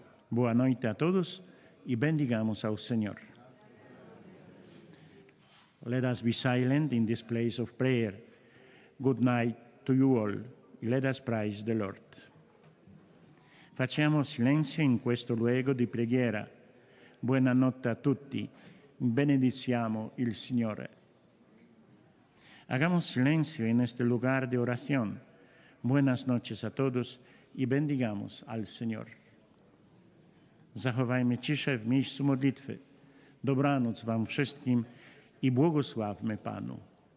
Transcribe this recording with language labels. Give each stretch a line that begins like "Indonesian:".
Portuguese: Boa noite a todos e bendigamos ao Senhor.
English: Let us be silent in this place of prayer. Good night to you all. Let us praise the Lord.
Italian: Facciamo silenzio in questo luogo di preghiera. Buonanotte a tutti. Benediciamo il Signore.
Spanish: Hagamos silenzio in este lugar de oración. Buenas noches a todos y bendigamos al Señor.
Polish: Zachowajmy ciszę w miejscu modlitwy. Dobranoc wam wszystkim. I błogosławmy Panu.